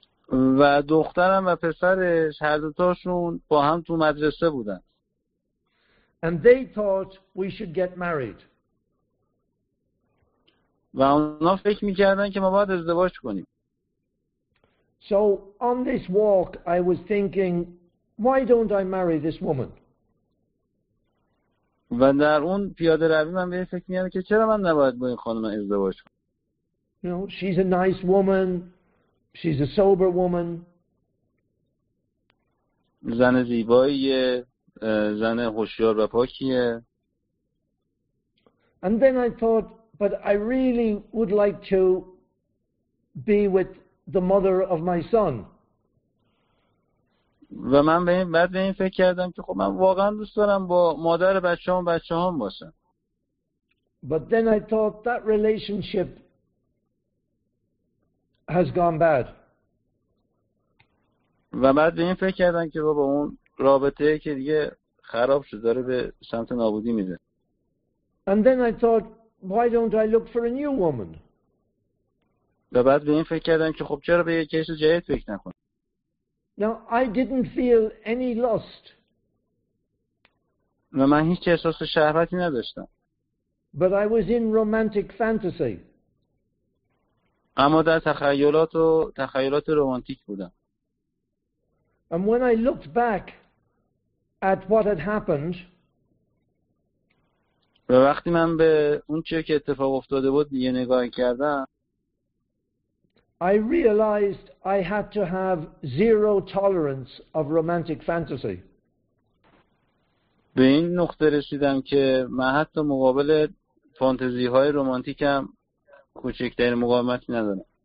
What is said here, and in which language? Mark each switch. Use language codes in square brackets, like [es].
[fa] و دخترم و پسرش هر دوتاشون با هم تو مدرسه بودن. [en] And they thought we should get married. [fa] و اونا فکر میکردن که ما باید ازدواج کنیم. [en] So on this walk I was thinking, why don't I marry this woman? [fa] و در اون پیاده روی من به فکر میکردم که چرا من نباید با این خانم ازدواج کنم. [en] You know, she's a nice woman. She's a sober woman. [fa] زن زیباییه، زن هوشیار و پاکیه. [en] And then I thought, but I really would like to be with the mother of my son. [fa] و من به این فکر کردم که خب من واقعا دوست دارم با مادر بچه‌هام باشم. [en] But then I thought that relationship has gone bad. [fa] و بعد به این فکر کردم که با اون رابطه که دیگه خراب شده داره به سمت نابودی میده. [en] And then I thought, why don't I look for a new woman? [fa] و بعد به این فکر کردم که خب چرا به یک کس جدید فکر نکنم. [en] Now I didn't feel any lust. [fa] و من هیچ احساس شهوتی نداشتم. [en] But I was in romantic fantasy. [fa] اما در تخیلات رمانتیک بودم. [en] And when I looked back at what had happened, [fa] و وقتی من به اون چیزی که اتفاق افتاده بود دیگه نگاه کردم, [en] I realized I had to have zero tolerance of romantic fantasy. [fa] به این نقطه رسیدم که من حتی مقابل فانتزی‌های رمانتیکم کوچکترین مقاومتی ندارم.